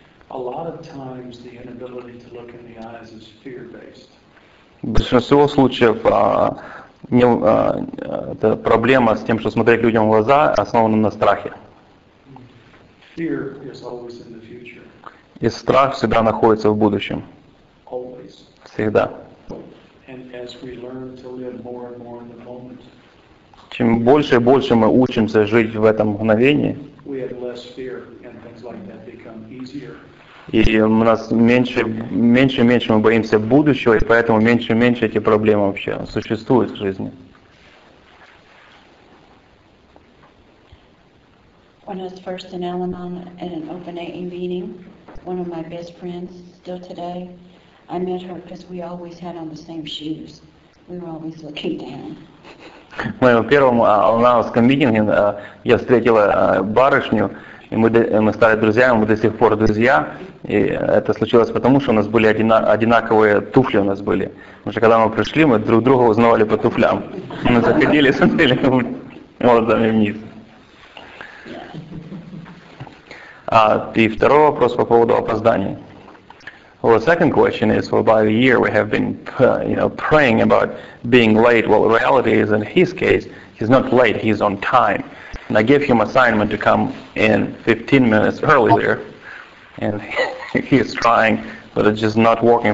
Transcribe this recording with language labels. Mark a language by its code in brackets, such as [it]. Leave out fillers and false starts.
[en] A lot of times the inability to look in the eyes is fear-based. [ru] В большинстве случаев это проблема с тем, что смотреть людям в глаза, основана на страхе. [en] Fear is always in the future. [ru] И страх всегда находится в будущем. [en] Always. [ru] Всегда. [en] And as we learn to live more and more in the moment, [ru] чем больше и больше мы учимся жить в этом мгновении, [en] we have less fear and things like that become easier. [ru] И у нас меньше и меньше мы боимся будущего, и поэтому меньше и меньше эти проблемы вообще существуют в жизни. [en] When I was first in Al-Anon at an open AA meeting, one of my best friends, still today, I met her because we always had on the same shoes. We were always looking down. [ru] В моем первом Al-Anonском митинге я встретила барышню, и мы стали друзьями, мы до сих пор друзья. И это случилось потому, что у нас были одинаковые туфли у нас были. Потому что когда мы пришли, мы друг друга узнавали по туфлям. Мы заходили и смотрели молодыми вниз. И второй вопрос по поводу опоздания. [en] Well, the second question is, for about a year we have been praying about being late. Well, the reality is, in his case, he's not late, he's on time. And I gave him assignment to come in 15 minutes earlier. And he's trying, but it's just not working.